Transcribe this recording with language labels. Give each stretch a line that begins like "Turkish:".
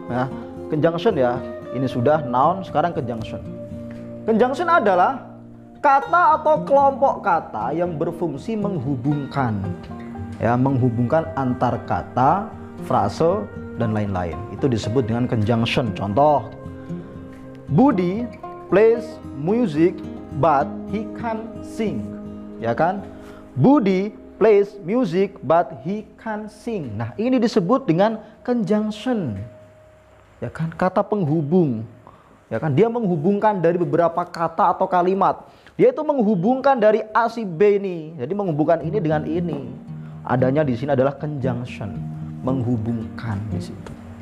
Indonesian: Nah, conjunction ya. Ini sudah noun, sekarang conjunction. Conjunction adalah kata atau kelompok kata yang berfungsi menghubungkan. Ya, menghubungkan antar kata, frase, dan lain-lain. Itu disebut dengan conjunction. Contoh,
English: Budi plays music but he can't sing.
Indonesian: Ya kan?
English: Budi plays music but he can't sing.
Indonesian: Nah, ini disebut dengan conjunction. Ya kan? Kata penghubung. Ya kan? Dia menghubungkan dari beberapa kata atau kalimat. Dia itu menghubungkan dari A si B ini. Jadi menghubungkan ini dengan ini. Adanya di sini adalah conjunction, menghubungkan di situ.